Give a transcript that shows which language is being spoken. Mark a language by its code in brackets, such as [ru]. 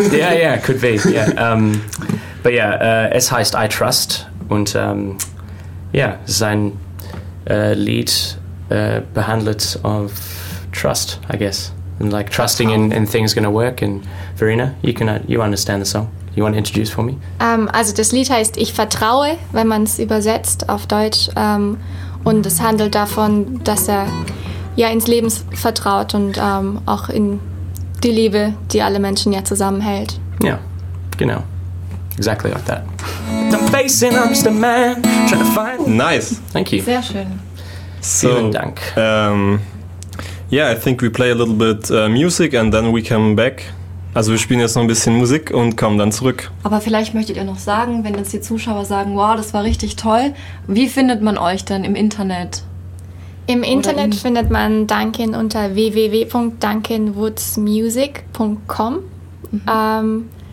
[en] yeah, could be. Yeah. [de] Es heißt [en] I Trust. [de] Und sein Lied behandelt [en] of trust, I guess. And like trusting in things going to work. And Verena, you understand the song. You want to introduce for me? [de] Also das Lied heißt Ich vertraue, wenn man es übersetzt auf Deutsch. Und es handelt davon, dass er ja ins Leben vertraut und auch in die Liebe, die alle Menschen ja zusammenhält. [en] Ja, yeah, genau. Exactly like that. I'm facing, I'm just a man, trying to find... Nice. Thank you. [de] Sehr schön. So, vielen Dank. [en] I think we play a little bit music and then we come back. [de] Also wir spielen jetzt noch ein bisschen Musik und kommen dann zurück. Aber vielleicht möchtet ihr noch sagen, wenn jetzt die Zuschauer sagen, wow, das war richtig toll, wie findet man euch denn im Internet? Im Internet findet man Duncan unter www.duncanwoodsmusic.com. Mhm.